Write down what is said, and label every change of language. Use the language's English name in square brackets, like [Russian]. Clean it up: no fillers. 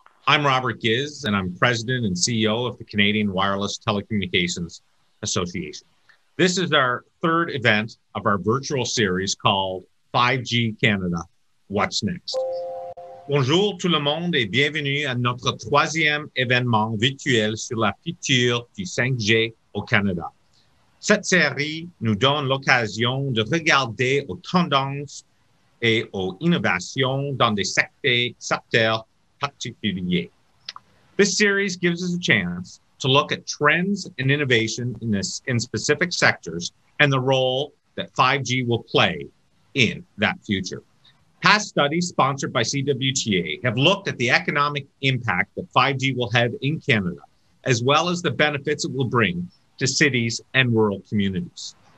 [English] I'm Robert Giz, and I'm president and CEO of the Canadian Wireless Telecommunications Association. This is our third event of our virtual series called 5G Canada, What's Next? [French] Bonjour tout le monde et bienvenue à notre troisième événement virtuel sur la future du 5G au Canada. Cette série nous donne l'occasion de regarder aux tendances et aux innovations dans des secteurs particuliers. [English] This series gives us a chance to look at trends and innovation in specific sectors and the role that 5G will play in that future. Past studies sponsored by CWTA have looked at the economic impact that 5G will have in Canada, as well as the benefits it will bring to cities and rural communities.